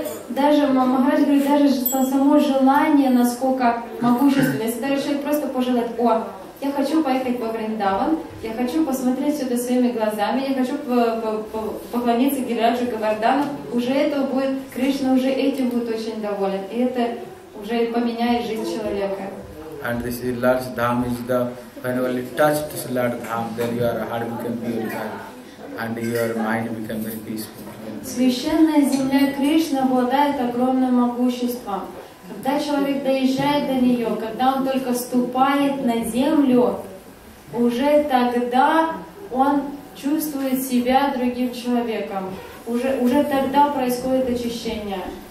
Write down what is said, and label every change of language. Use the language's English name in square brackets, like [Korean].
[Russian] Даже Махарадж говорит, даже само желание, насколько могущественное. Если даже человек просто пожелает, о, я хочу поехать по Вриндаван, я хочу посмотреть сюда своими глазами, я хочу поклониться Гирираджу Говардану, уже этого будет, Кришна уже этим будет очень доволен. И это уже поменяет жизнь человека. [English] And this is Lord's Dham is the when only touch this Lord's Dham, then your heart becomes beautiful and your mind becomes very peaceful. [Russian] Священная земля Кришна обладает огромным могуществом. Когда человек доезжает до нее, когда он только ступает на землю, уже тогда он чувствует себя другим человеком. Уже тогда происходит очищение.